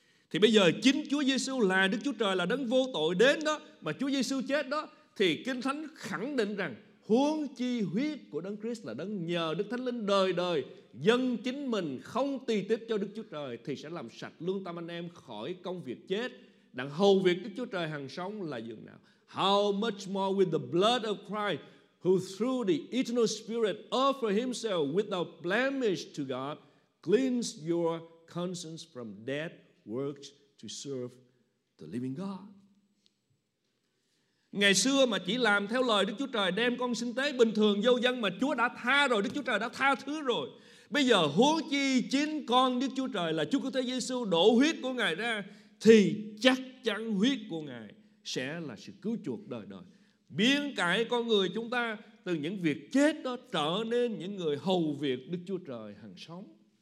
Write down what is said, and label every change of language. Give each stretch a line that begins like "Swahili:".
Vietnamese: Thì bây giờ chính Chúa Giêsu là Đức Chúa Trời, là đấng vô tội đến đó, mà Chúa Giêsu chết đó, thì Kinh Thánh khẳng định rằng huống chi huyết của đấng Christ là đấng nhờ Đức Thánh Linh đời đời dâng chính mình không tì tiếp cho Đức Chúa Trời, thì sẽ làm sạch lương tâm anh em khỏi công việc chết, đặng hầu việc Đức Chúa Trời hằng sống là dường nào.
English: How much more with the blood of Christ, who through the eternal Spirit offered himself without blemish to God, cleanse your conscience from dead works to serve the living God.
Vietnamese: Ngày xưa mà chỉ làm theo lời Đức Chúa Trời, đem con sinh tế bình thường vô dân, mà Chúa đã tha rồi, Đức Chúa Trời đã tha thứ rồi. Bây giờ huống chi chính con Đức Chúa Trời là Chúa Cứu Thế Giêsu đổ huyết của Ngài ra, thì chắc chắn huyết của Ngài sẽ là sự cứu chuộc đời đời, biến cải con người chúng ta từ những việc chết đó trở nên những người hầu việc Đức Chúa Trời hằng sống.